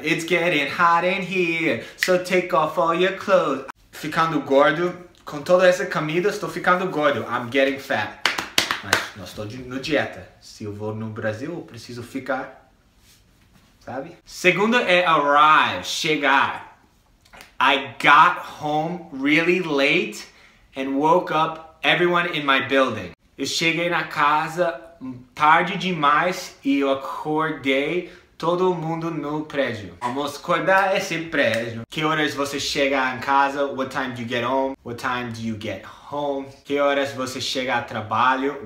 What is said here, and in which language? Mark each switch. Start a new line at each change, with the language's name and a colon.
English: It's getting hot in here, so take off all your clothes.
Portuguese: Ficando gordo, com toda essa comida, estou ficando gordo.
English: I'm getting fat.
Portuguese: Mas não estou no dieta. Se eu vou no Brasil, eu preciso ficar, sabe? Segundo é arrive, chegar.
English: I got home really late and woke up everyone in my building.
Portuguese: Eu cheguei na casa tarde demais e eu acordei todo mundo no prédio. Vamos acordar esse prédio. Que horas você chega em casa?
English: What time do you get home? What time do you get home?
Portuguese: Que horas você chega ao trabalho?